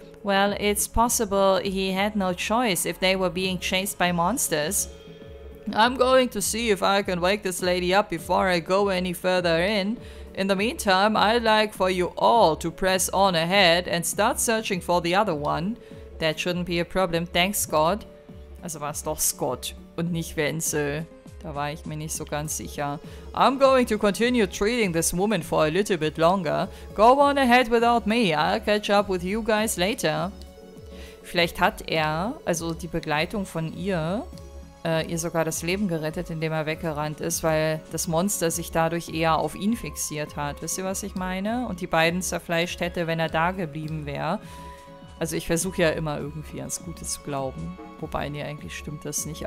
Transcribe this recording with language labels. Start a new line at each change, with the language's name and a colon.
English: Well, it's possible he had no choice if they were being chased by monsters. I'm going to see if I can wake this lady up before I go any further in. In the meantime, I'd like for you all to press on ahead and start searching for the other one. That shouldn't be a problem, thanks Scott.
German: Also war es doch Scott und nicht Wenzel. Da war ich mir nicht so ganz sicher.
English: I'm going to continue treating this woman for a little bit longer. Go on ahead without me, I'll catch up with you guys later.
German: Vielleicht hat er, also die Begleitung von ihr... ihr sogar das Leben gerettet, indem er weggerannt ist, weil das Monster sich dadurch eher auf ihn fixiert hat. Wisst ihr, was ich meine? Und die beiden zerfleischt hätte, wenn er da geblieben wäre. Also ich versuche ja immer irgendwie ans Gute zu glauben. Wobei, nee, eigentlich stimmt das nicht.